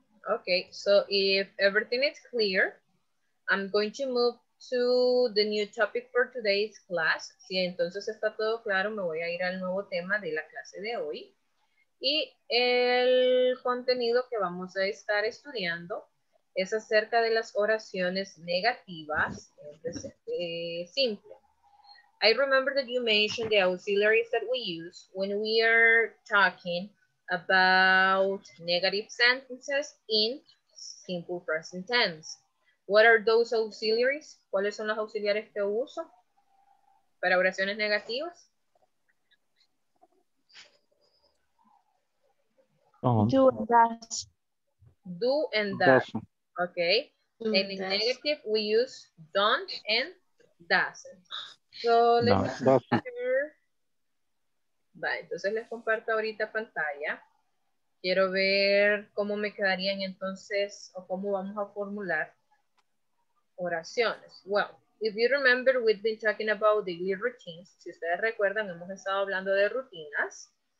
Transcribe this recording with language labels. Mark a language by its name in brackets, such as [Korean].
[English] Ok, so if everything is clear, I'm going to move to the new topic for today's class. [Spanish] Si entonces está todo claro, me voy a ir al nuevo tema de la clase de hoy. Y el contenido que vamos a estar estudiando es acerca de las oraciones negativas en presente simple. [English] I remember that you mentioned the auxiliaries that we use when we are talking about negative sentences in simple present tense. What are those auxiliaries? [Spanish] ¿Cuáles son los auxiliares que uso para oraciones negativas? [English] Do and does. Do and does. Okay. And in negative, we use don't and doesn't. So let's compare. [Spanish] Vale, entonces les comparto ahorita pantalla. Quiero ver cómo me quedarían entonces o cómo vamos a formular oraciones. [English] Well, if you remember, we've been talking about daily routines. [Spanish] Si ustedes recuerdan, hemos estado hablando de rutinas.